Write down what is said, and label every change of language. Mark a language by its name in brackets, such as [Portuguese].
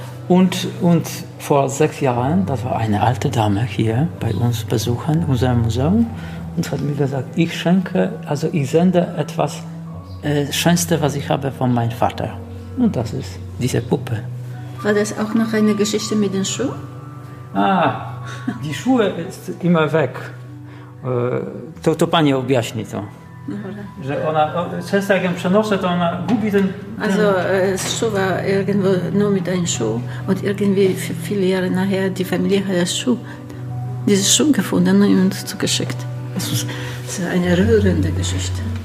[German] Und vor 6 Jahren, das war eine alte Dame hier bei uns besuchen, unser Museum, und hat mir gesagt, ich schenke, also ich sende etwas Schönste, was ich habe von meinem Vater. Und das ist diese Puppe. War das auch noch eine Geschichte mit den Schuhen? Ah, die Schuhe ist immer weg. [Polish] To pani objaśni to. Dobra. Że ona, często jak ją przenoszę, to ona gubi ten... [German] Also, schuwa irgendwo nur mit einem Schuh. Und irgendwie viele Jahre nachher, die Familie hat diesen Schuh gefunden und zugeschickt. Das ist eine rührende Geschichte.